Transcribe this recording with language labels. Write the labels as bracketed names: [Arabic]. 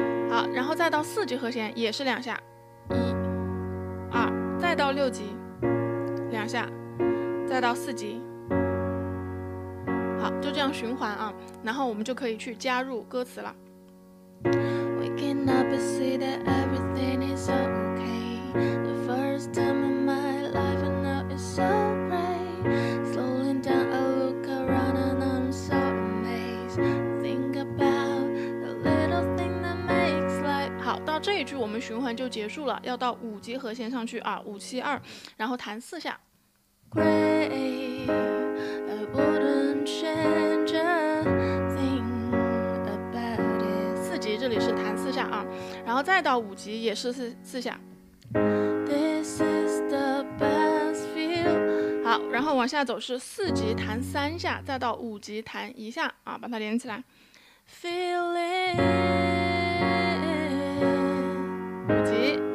[Chinese] 好，然后再到四级和弦也是两下，一二，再到六级两下，再到四级。好，就这样循环啊，然后我们就可以去加入歌词了。 [English] Waking up and see that everything is okay. The first time in my life, I know it's so great. Slowing down, I look around and I'm so amazed. Think about the little thing that makes life. [Chinese] 好，到这一句我们循环就结束了，要到五级和弦上去啊，五七二，然后弹四下。 [English] Great, I wouldn't change a thing about it. [Chinese] 四级这里是弹四下啊，然后再到五级也是四下。 [English] This is the best feel. [Chinese] 好，然后往下走是四级弹三下，再到五级弹一下啊，把它连起来。 [English] Feel it. [Chinese] 五级。